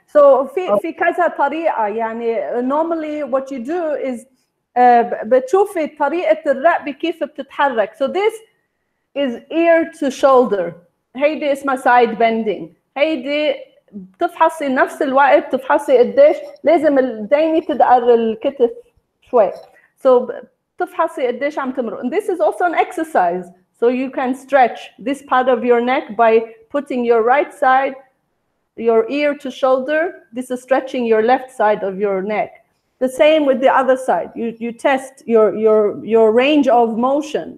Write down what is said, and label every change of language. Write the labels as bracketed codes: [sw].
[ar] So في كذا طريقة. يعني [en] normally what you do is [ar] بتشوفي طريقة الرقبة كيف بتتحرك. [en] So this is ear to shoulder. [ar] هيدي اسمها [en] side bending. [ar] هيدي بتفحصي نفس الوقت بتفحصي قديش لازم الديني تدقر الكتف شوي. So بتفحصي قديش عم تمرق. [en] And this is also an exercise. So you can stretch this part of your neck by putting your right side, your ear to shoulder. This is stretching your left side of your neck. The same with the other side. You test your range of motion.